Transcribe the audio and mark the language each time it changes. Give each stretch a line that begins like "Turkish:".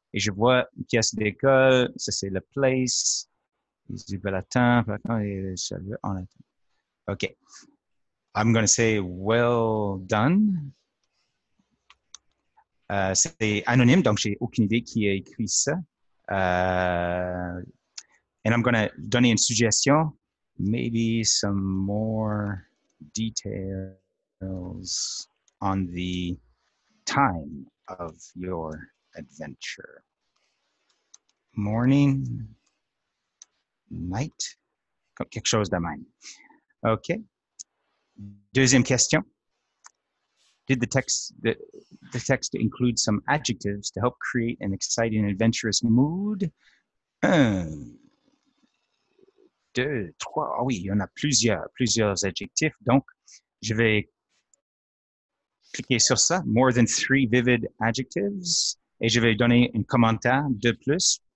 French: Et je vois une pièce d'école, ça c'est le place, ils disent bel attend, par contre, ça veut en attendre. OK.
English: I'm going to say well done.
French: C'est anonyme, donc j'ai aucune idée qui a écrit ça.
English: And I'm going to
French: donner une suggestion,
English: maybe some more details on the time of your adventure. Morning, night,
French: quelque chose de même. OK. Deuxième question.
English: Did the text include some adjectives to help create an exciting and adventurous mood?
French: Un, deux, trois. Ah oui, il y en a plusieurs adjectifs. Donc, je vais cliquer sur ça.
English: More than three vivid adjectives.
French: Et je vais donner un commentaire de plus.